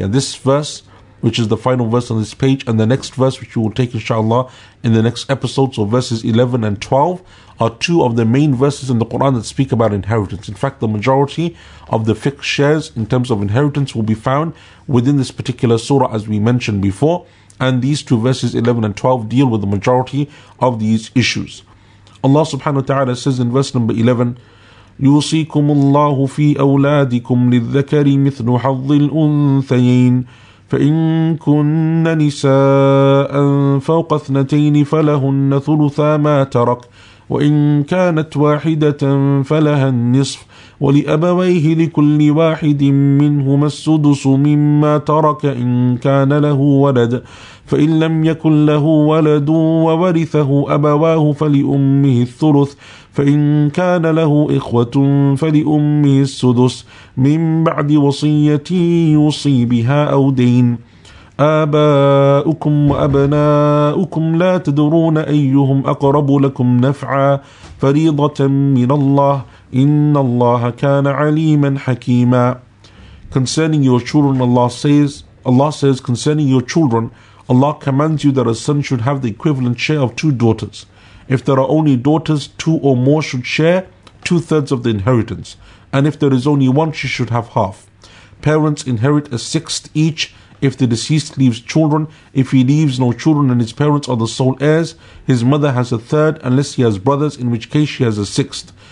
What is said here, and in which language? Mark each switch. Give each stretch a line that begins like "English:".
English: And this verse, which is the final verse on this page, and the next verse, which we will take inshallah in the next episode, so verses 11 and 12, are two of the main verses in the Quran that speak about inheritance. In fact, the majority of the fiqh shares in terms of inheritance will be found within this particular surah, as we mentioned before. And these two verses, 11 and 12, deal with the majority of these issues. Allah subhanahu wa ta'ala says in verse number 11,
Arabic: يُوصِيكُمُ اللَّهُ فِي أَوْلَادِكُمْ لِلذَّكَرِ مِثْلُ حَظِّ الْأُنْثَيَيْنِ فَإِنْ كُنَّ نِسَاءً فَوْقَ اثْنَتَيْنِ فَلَهُنَّ ثُلُثَا مَا تَرَكْ وَإِنْ كَانَتْ وَاحِدَةً فَلَهَا النِّصْفُ وَلِأَبَوَيْهِ لِكُلِّ وَاحِدٍ مِّنْهُمَا السُّدُسُ مِمَّا تَرَكَ إِنْ كَانَ لَهُ وَلَدٌ فَإِنْ لَمْ يَكُنْ لَهُ وَلَدٌ وَوَرِثَهُ أَبَوَاهُ فَلِأُمِّهِ الثُّلُثُ فَإِنْ كَانَ لَهُ إِخْوَةٌ فَلِأُمِّهِ السُّدُسُ مِنْ بَعْدِ وَصِيَّةٍ يُوصِي بِهَا أَوْ دَيْنٍ آباؤكم وأبناؤكم لا تدرون أيهم أقرب لكم نفعا فريضة من الله إن الله كان عليما حكيما.
English: Concerning your children, Allah says concerning your children, Allah commands you that a son should have the equivalent share of two daughters. If there are only daughters, two or more should share 2/3 of the inheritance. And if there is only one, she should have half. Parents inherit a sixth each. If the deceased leaves children, if he leaves no children and his parents are the sole heirs, his mother has a third, unless he has brothers, in which case she has a sixth.